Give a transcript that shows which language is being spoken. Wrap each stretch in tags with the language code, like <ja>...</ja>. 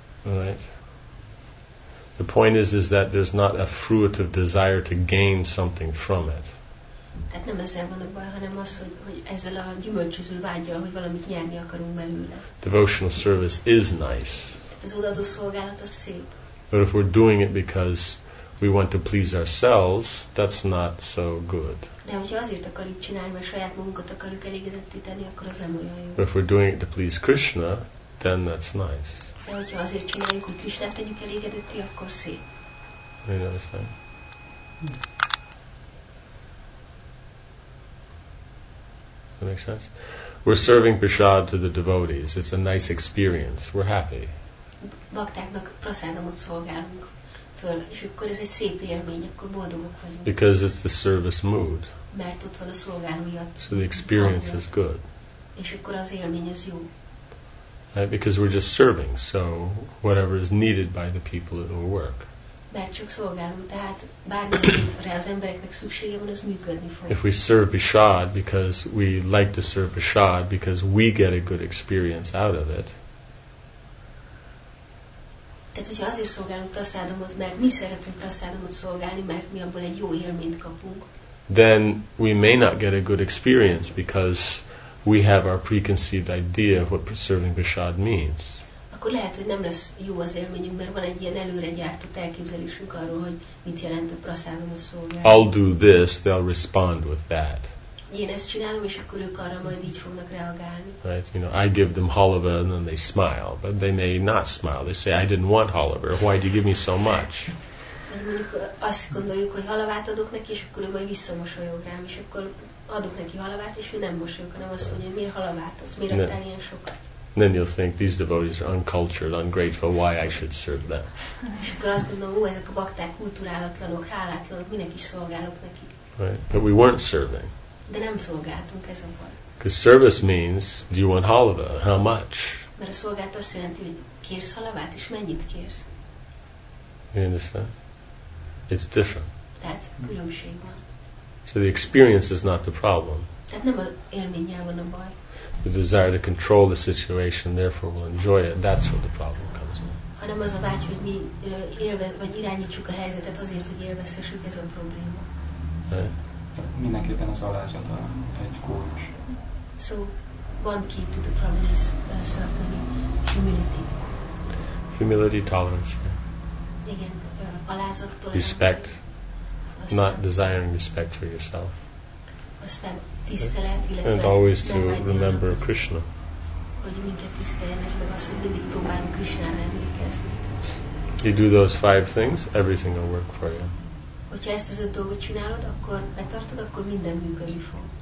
<en>Right. The point is that there's not a fruitive desire to gain something from it.</en> <hu>Tehát nem ezzel van a baj, hanem az, hogy ezzel a gyümölcsöző vágyal, hogy valamit nyerni akarunk belőle.</hu> <en>Devotional service is nice.</en> <hu>Tehát az odaadó szolgálat az szép.</hu> <en>But if we're doing it because we want to please ourselves, that's not so good.</en> <hu>De hogyha azért akarjuk csinálni, mert saját magunkat akarjuk elégedetté tenni, akkor az nem olyan jó.</hu> <en>But if we're doing it to please Krishna, then that's nice.</en> <hu>De hogyha azért csináljuk, hogy Krishnát tegyük elégedetté, akkor szép.</hu> <en>You know what I'm saying? That makes sense? We're serving prasad to the devotees. It's a nice experience. We're happy.</en> <hu>Baktáknak prasadamot szolgálunk. És akkor ez egy szép élmény, akkor boldogok vagyunk.</hu> <en>Because it's the service mood.</en> <hu>Mert ott van a szolgáló miatt.</hu> <en>So the experience is good.</en> <hu>És akkor az élmény az jó.</hu> <en>Because we're just serving, so whatever is needed by the people, it will work.</en> <hu>mert csak szolgáló, tehát bármire az embereknek szüksége van, az működni fog.</hu> <en>If we serve Bishad because we like to serve Bishad because we get a good experience out of it.</en> <hu>Tehát hogyha azért szolgálunk Prasadamot, mert mi szeretünk Prasadamot szolgálni, mert mi abból egy jó élményt kapunk.</hu> <en>Then we may not get a good experience because we have our preconceived idea of what serving Bishad means.</en> <hu>Akkor lehet, hogy nem lesz jó az élményünk, mert van egy ilyen előre gyártott elképzelésünk arról, hogy mit jelent a Prasadamot szolgálni.</hu> <en>I'll do this, they'll respond with that.</en> <hu>Én ezt csinálom, és akkor ők arra majd így fognak reagálni.</hu> <en>Right, you know, I give them halava and then they smile, but they may not smile. They say, I didn't want halava, why did you give me so much?</en> <hu>Azt gondoljuk, hogy halavát adok neki, és akkor ő majd visszamosolyog rám, és akkor adok neki halavát, és ő nem mosolyog, hanem azt mondja, hogy miért halavát adsz, miért adtál ilyen sokat?</hu> <en>Then you'll think these devotees are uncultured, ungrateful. Why I should serve them?</en> <hu>És akkor azt gondolom, hogy ezek a bakták kulturálatlanok, hálátlanok, minek is szolgálok neki.</hu> <en>Right, but we weren't serving.</en> <hu>De nem szolgáltunk, ez a baj.</hu> <en>Because service means, do you want halava? How much?</en> <hu>Mert a szolgált azt jelenti, hogy kérsz halavát, és mennyit kérsz?</hu> <en>You understand? It's different.</en> <hu>Tehát különbség van.</hu> <en>So the experience is not the problem.</en> <hu>Tehát nem az élménnyel van a baj.</hu> <en>The desire to control the situation, therefore will enjoy it. That's where the problem comes in.</en> <hu>Hanem az a vágy, hogy mi vagy irányítsuk a helyzetet azért, hogy élvezhessük, ez a probléma. Mindenképpen az alázat a egy kulcs.</hu> <en>So, one key to the problem is certainly humility. Humility, tolerance.</en> <hu>Igen, alázat, tolerance.</hu> <en>Respect.</en> <hu>Aztán,</hu> <en>not desiring respect for yourself.</en> <hu>Aztán tisztelet, illetve</hu> <en>and always to remember Krishna.</en> <hu>Hogy minket tiszteljenek, meg azt, hogy mindig próbálunk Krishnára emlékezni.</hu> <en>You do those five things, everything will work for you.</en> <hu>Hogyha ezt az öt dolgot csinálod, akkor betartod, akkor minden működni fog.</hu>